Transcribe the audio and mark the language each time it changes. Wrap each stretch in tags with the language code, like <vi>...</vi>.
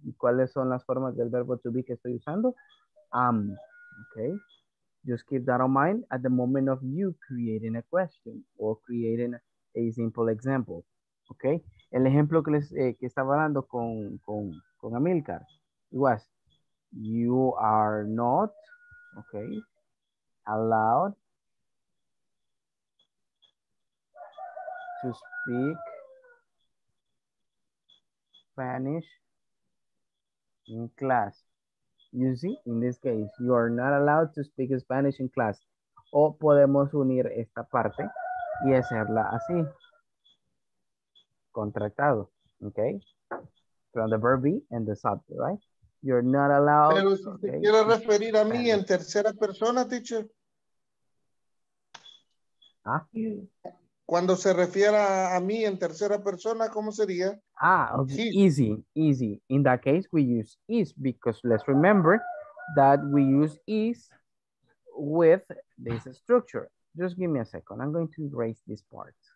<es>¿Y cuáles son las formas del verbo to be que estoy usando?</es> <en>Okay, just keep that in mind at the moment of you creating a question or creating a simple example, okay?</en> <es>El ejemplo que que estaba dando con Amilcar,</es> <en>it was, you are not, okay, allowed to speak Spanish in class. You see, in this case, you are not allowed to speak Spanish in class.</en> <es>O podemos unir esta parte y hacerla así. Contractado, okay?</es> <en>From the verb be and the subject, right? You're not allowed.</en> <es>Pero si okay, te quiero referir a mí en tercera persona, teacher. Ah. Cuando se refiera a mí en tercera persona, ¿cómo sería?</es> <en>Ah, okay. Easy, easy. In that case, we use is, because let's remember that we use is with this structure. Just give me a second. I'm going to erase this part.</en>